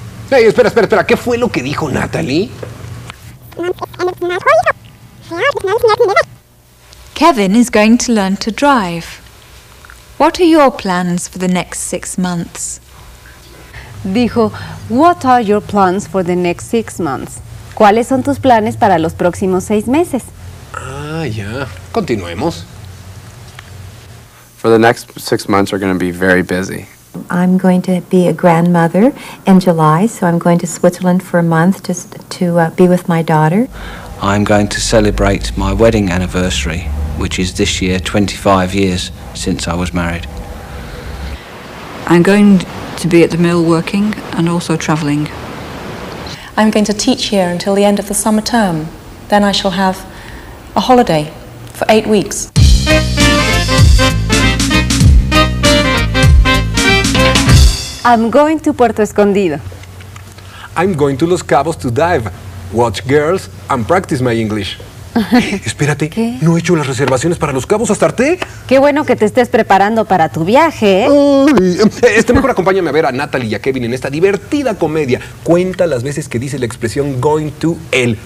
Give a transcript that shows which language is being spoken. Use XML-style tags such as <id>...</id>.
<es>Hey, espera, espera, espera. ¿Qué fue lo que dijo Natalie?</es> <en>Kevin is going to learn to drive. What are your plans for the next 6 months?</en> <es>Dijo,</es> <en>what are your plans for the next 6 months?</en> <es>¿Cuáles son tus planes para los próximos 6 meses? Ah, ya. Continuemos.</es> <en>For the next 6 months are going to be very busy. I'm going to be a grandmother in July, so I'm going to Switzerland for a month just to be with my daughter. I'm going to celebrate my wedding anniversary, which is this year 25 years since I was married. I'm going to be at the mill working and also traveling. I'm going to teach here until the end of the summer term. Then I shall have a holiday for 8 weeks. I'm going to Puerto Escondido. I'm going to Los Cabos to dive, watch girls, and practice my English.</en> <es>Espérate, ¿qué? No he hecho las reservaciones para Los Cabos, Astarte. Qué bueno que te estés preparando para tu viaje. Mejor acompáñame a ver a Natalie y a Kevin en esta divertida comedia. Cuenta las veces que dice la expresión</es> <en>going to</en> <es>él.</es>